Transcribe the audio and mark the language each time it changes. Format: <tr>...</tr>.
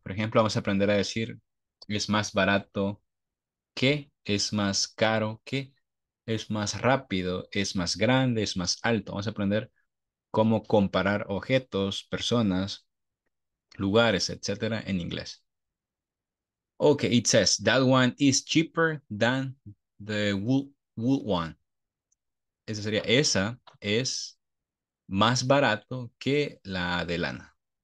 <es>Por ejemplo, vamos a aprender a decir, es más barato que, es más caro que, es más rápido, es más grande, es más alto. Vamos a aprender cómo comparar objetos, personas, lugares, etcétera, en inglés.</es> <en>Okay, it says, that one is cheaper than the wool one.</en> <es>Esa sería, esa es más barato que la de lana.</es>